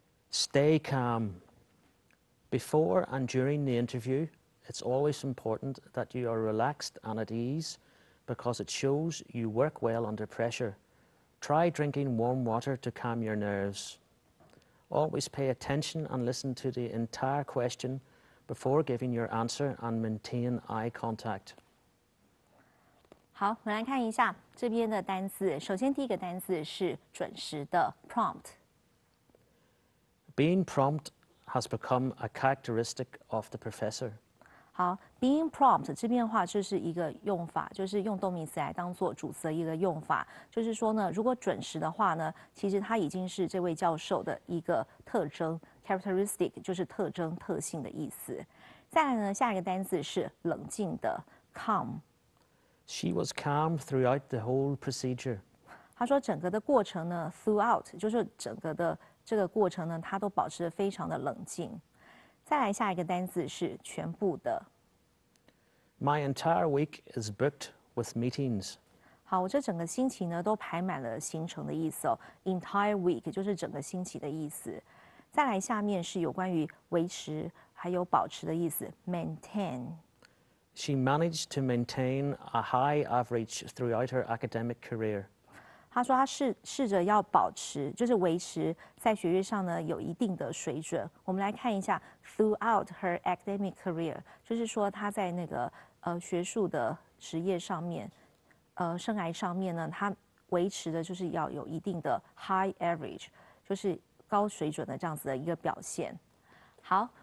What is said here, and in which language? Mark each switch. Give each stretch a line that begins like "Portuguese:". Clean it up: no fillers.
English: Stay calm. Before and during the interview, it's always important that you are relaxed and at ease because it shows you work well under pressure. Try drinking warm water to calm your nerves. Always pay attention and listen to the entire question before giving your answer and maintain eye contact.
Chinese: 好，我们来看一下这边的单字。首先第一个单字是准时的 prompt.
English: Being prompt. Has become a characteristic of the professor.
Chinese: 好 ，
English: being prompt
Chinese: 这边的话就是一个用法，就是用动名词来当做主词的一个用法。就是说呢，如果准时的话呢，其实它已经是这位教授的一个特征 ，characteristic 就是特征、特性的意思。再来呢，下一个单字是冷静的 ，calm.
English: She was calm throughout the whole procedure.
Chinese: 他说整个的过程呢 ，throughout 就是整个的。这个过程呢，他都保持得非常的冷静。再来下一个单字是全部的。
English: My entire week is booked with meetings.
Chinese: 好，我这整个星期呢都排满了行程的意思哦。
English: Entire week
Chinese: 就是整个星期的意思。再来下面是有关于维持还有保持的意思 ，maintain。
English: She managed to maintain a high average throughout her academic career.
Chinese: 他说他试着要保持，就是维持在学业上呢有一定的水准。我们来看一下 ，
English: throughout her academic career，
Chinese: 就是说他在那个学术的职业上面，生涯上面呢，他维持的就是要有一定的
English: high average，
Chinese: 就是高水准的这样子的一个表现。好。